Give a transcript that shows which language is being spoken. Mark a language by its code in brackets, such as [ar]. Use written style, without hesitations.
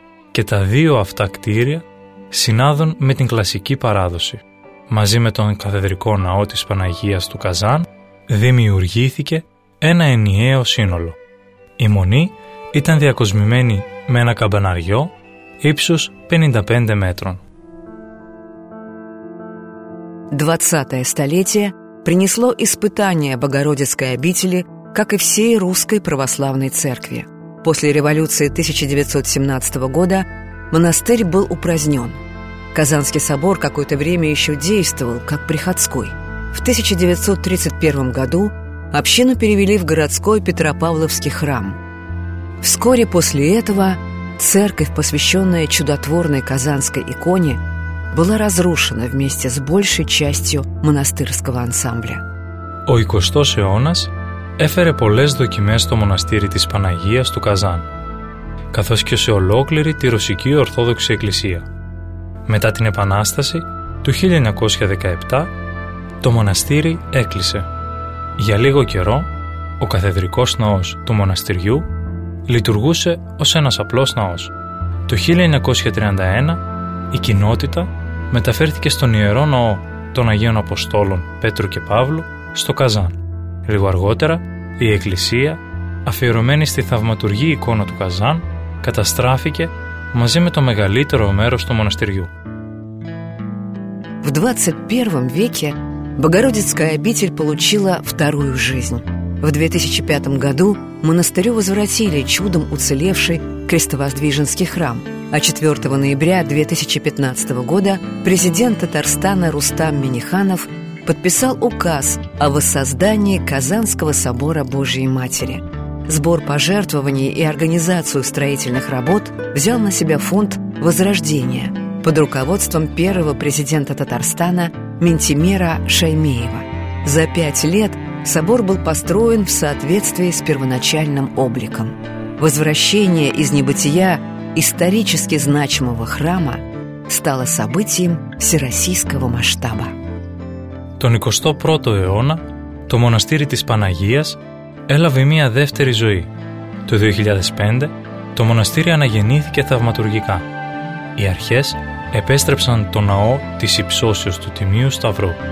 [el] Και τα δύο αυτά κτίρια συνάδουν με την κλασική παράδοση. Μαζί με τον καθεδρικό ναό της Παναγίας του Καζάν, δημιουργήθηκε ένα ενιαίο σύνολο. Η Μονή ήταν διακοσμημένη με ένα καμπαναριό ύψους 55 μέτρων. [ru] 20-е столетие принесло испытание Богородицкой обители, как и всей русской православной церкви. После революции 1917 года монастырь был упразднен. Казанский собор какое-то время еще действовал, как приходской. В 1931 году общину перевели в городской Петропавловский храм. Вскоре после этого церковь, посвященная чудотворной казанской иконе, была разрушена вместе с большей частью монастырского ансамбля. [el] Ο 20ος αιώνας έφερε πολλές δοκιμές στο μοναστήρι της Παναγίας του Καζάν, καθώς και σε ολόκληρη τη Ρωσική Ορθόδοξη Εκκλησία. Μετά την Επανάσταση του 1917, το μοναστήρι έκλεισε. Για λίγο καιρό, ο καθεδρικός ναός του μοναστηριού λειτουργούσε ως ένας απλός ναός. Το 1931 η κοινότητα μεταφέρθηκε στον Ιερό Ναό των Αγίων Αποστόλων Πέτρου και Παύλου στο Καζάν. Λίγο αργότερα η εκκλησία, αφιερωμένη στη θαυματουργή εικόνα του Καζάν, καταστράφηκε μαζί με το μεγαλύτερο μέρος του μοναστηριού. [ru] В 21 веке Богородицкая обитель получила вторую жизнь. В 2005 году монастырю возвратили чудом уцелевший Крестовоздвиженский храм, а 4 ноября 2015 года президент Татарстана Рустам Миниханов подписал указ о воссоздании Казанского собора Божьей Матери. Сбор пожертвований и организацию строительных работ взял на себя фонд «Возрождение» под руководством первого президента Татарстана Ментимера Шаймиева. За 5 лет собор был построен в соответствии с первоначальным обликом. Возвращение из небытия исторически значимого храма стало событием всероссийского масштаба. [el] Τον 21ο αιώνα, το μοναστήρι της Παναγίας έλαβε μία δεύτερη ζωή. Το 2005, το μοναστήρι αναγεννήθηκε θαυματουργικά. Οι αρχές επέστρεψαν το ναό της υψώσεως του Τιμίου Σταυρού.